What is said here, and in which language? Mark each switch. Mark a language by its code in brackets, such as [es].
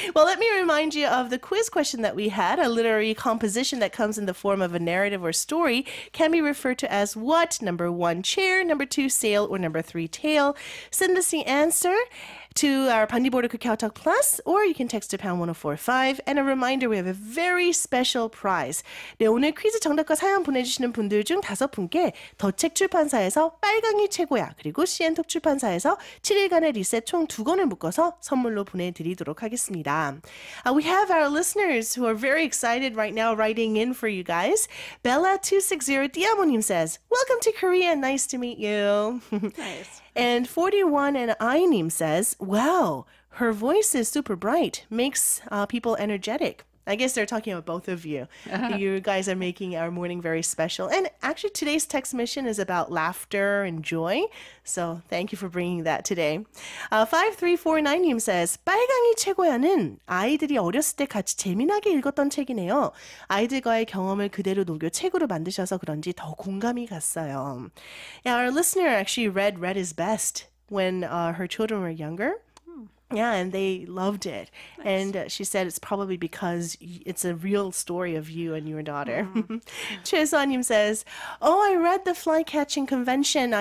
[en] Well, let me remind you of the quiz question that we had. A literary composition that comes in the form of a narrative or story can be referred to as what? Number one, chair. Number two, sail. Or number three, tail. Send us the answer to our Bandi Border Cookie Hot Dog Plus, or you can text to #1045. And a reminder, we have a very special prize. [ko] 네, 오늘 퀴즈 정답과 사연 보내주시는 분들 중 다섯 분께 더책 출판사에서 빨강이 최고야, 그리고 CN톡 출판사에서 7일간의 리셋 총 두 권을 묶어서 선물로 보내드리도록 하겠습니다. [en] We have our listeners who are very excited right now writing in for you guys. Bella260Diamonim says, "Welcome to Korea, nice to meet you." Nice. And 41 and Ainim says, "Wow, her voice is super bright, makes people energetic." I guess they're talking about both of you. Uh-huh. You guys are making our morning very special. And actually, today's text mission is about laughter and joy. So thank you for bringing that today. [ko] 5349님 says, 빨강이 최고야는 아이들이 어렸을 때 같이 재미나게 읽었던 책이네요. 아이들과의 경험을 그대로 녹여 책으로 만드셔서 그런지 더 공감이 갔어요. [en] Yeah, our listener actually read Red is Best when her children were younger. Yeah, and they loved it. Nice. And she said it's probably because it's a real story of you and your daughter. Choi Sanim says, "Oh, I read The Flycatching Convention.